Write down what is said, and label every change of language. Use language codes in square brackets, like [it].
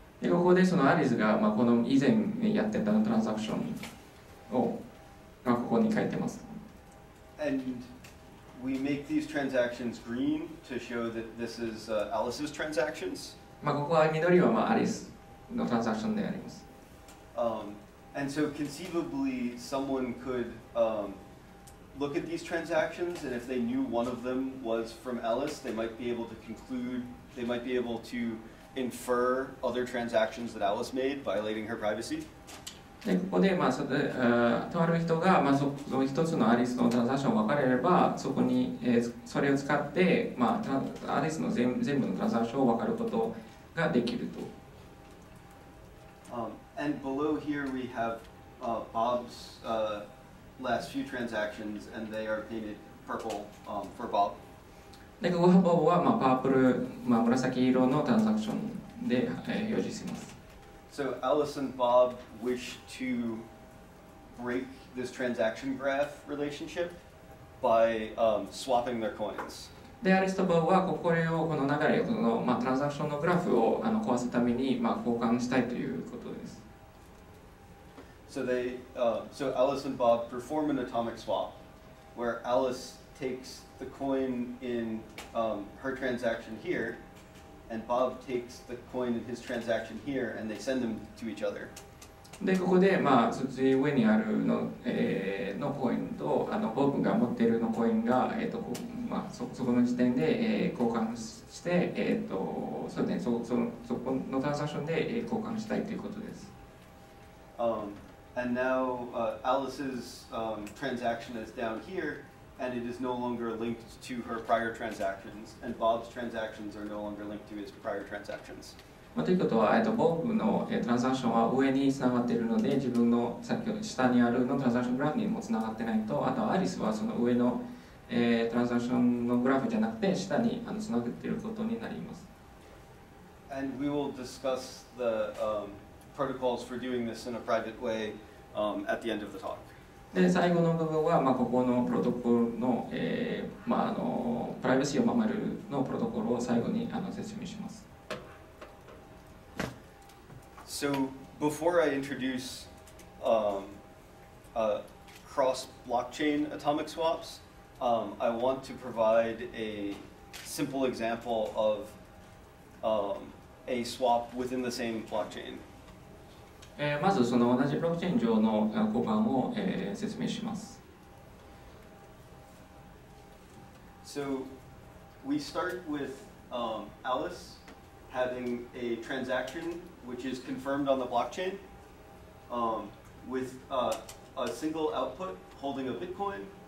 [ja] ここでそのアリスが、まあ、この以前やってたトランザクションを、まあ、ここに書いてます。 [en] And we make these transactions green to show that this is Alice's transactions. [ja] まあ、ここは緑はまあアリスのトランザクションであります。 [en] And so conceivably someone could look at these transactions and if they knew one of them was from Alice, they might be able to infer other transactions that Alice made, violating her privacy. [ja] でここで、まあ、そで、とある人が、まあ、その一つのアリスのトランザクションを分かれれば、そこに、それを使って、まあ、アリスの全部のトランザクションを分かることができると。 [en] And below here we have Bob's last few transactions, and they are painted purple for Bob. [ja] で、ここはボブは、まあ、パープル、まあ、紫色のトランザクションで、表示します。 [en] So Alice and Bob wish to break this transaction graph relationship by swapping their coins. [ja] で、アリスとボブはここれをこの流れこの、まあ、トランザクションのグラフを壊すために、まあ、交換したいということです。 [en] So they, so Alice and Bob perform an atomic swap, where Alice takes the coin in her transaction here, and Bob takes the coin in his transaction here, and they send them to each other. [ja] で、ここで、まあ、そっち上にあるの、のコインと、ボブが持っているのコインが、まあ、そこの時点で、交換して、そうね、そこのトランザクションで、交換したいということです。 [en] And now, Alice's, transaction is down here, and it is no longer linked to her prior transactions, and Bob's transactions are no longer linked to his prior transactions.、 [ja] まあ、ということは、ボブの、トランザクションは上に繋がっているので、自分の下にあるのトランザクショングラフにも繋がってないと、あとアリスはその上のトランザクションのグラフじゃなくて下に繋げていることになります。 [en] And we will discuss the protocols for doing this in a private way at the end of the talk. [ja] で最後の部分は、まあ、ここのプロトコルの、まあ、プライバシーを守るのプロトコルを最後に説明します。 [en] So before I introduce cross blockchain atomic swaps. I want to provide a simple example of a swap within the same blockchain. [ja] まずその同じブロックチェーン上の交換を説明します。 [en] So we start with Alice having a transaction which is confirmed on the blockchain with a single output holding a Bitcoin.